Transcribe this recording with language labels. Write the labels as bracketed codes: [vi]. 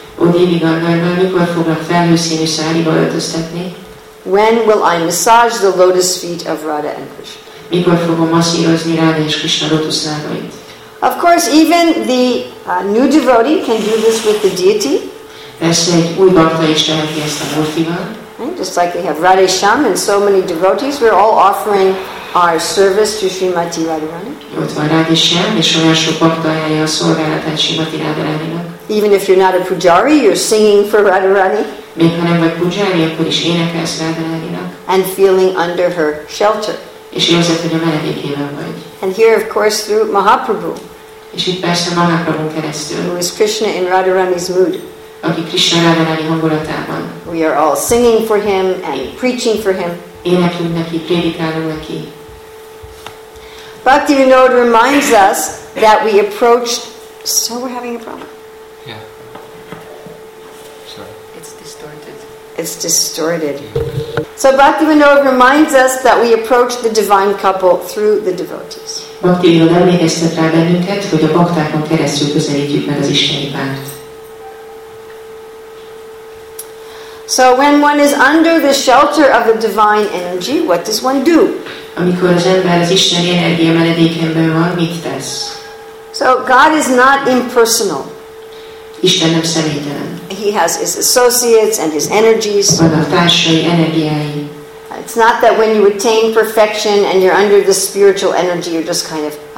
[hu] O Devi Gandharva, mikor foglak felhőszínű száriba öltöztetni? [en] When will I massage the lotus feet of Radha and Krishna? [hu] Mikor fogom masszírozni Radha és Krishna lótuszlábait? [en] Of course, even the new devotee can do this with the deity. [hu] Persze egy új bhakta is teheti ezt a murtival. [en] Just like we have Radhesham and so many devotees, we're all offering our service to Srimati Radharani. [hu] Ott van Radhesham, és olyan sok bhakta ajánlja a szolgálatát Srimati Radharaninak. [en] Even if you're not a pujari, you're singing for Radharani. [hu] Még ha nem vagy pujari, akkor is énekelsz Radharaninak. [en] And feeling under her shelter. [hu] És érzed, hogy a menedékében vagy. [en] And here, of course, through Mahaprabhu. [hu] És itt persze Mahaprabhu keresztül. [en] Who is Krishna in Radharani's mood. [hu] Aki Krishna Radharani hangulatában. [en] We are all singing for him and preaching for him. [hu] Énekünk neki, prédikálunk neki. [en] Bhaktivinoda reminds us that we approach... So we're having a problem. It's distorted. So Bhaktivinoda reminds us that we approach the divine couple through the devotees. [hu] Bhaktivinoda emlékeztet rá bennünket, hogy a baktákon keresztül közelítjük meg az isteni párt. [en] So when one is under the shelter of the divine energy, what does one do? [hu] Amikor az ember az isteni energia menedékében van, mit tesz? [en] So God is not impersonal. [hu] Isten nem személytelen. [en] He has his associates and his energies. It's not that when you attain perfection and you're under the spiritual energy, you're just kind of